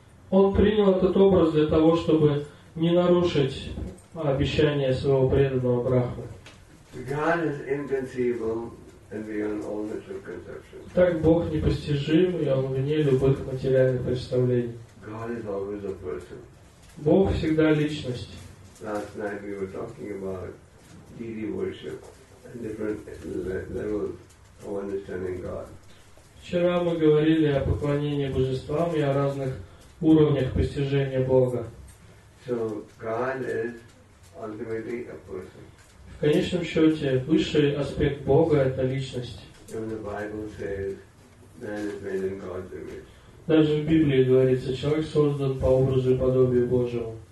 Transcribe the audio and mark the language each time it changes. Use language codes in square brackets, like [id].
[ru] Он принял этот образ для того, чтобы не нарушить обещание своего преданного Брахмы. [en] God is inconceivable and beyond all material conceptions. [ru] Так Бог непостижим, и Он вне любых материальных представлений. [en] God is always a person. [ru] Бог всегда личность. [en] Last night we were talking about deity worship and different levels of understanding God. [ru] Вчера мы говорили о поклонении божествам и о разных уровнях постижения Бога. [en] So God is ultimately a person. [ru] В конечном счете, высший аспект Бога – это личность. Даже в Библии говорится, человек создан по образу и подобию Божьему.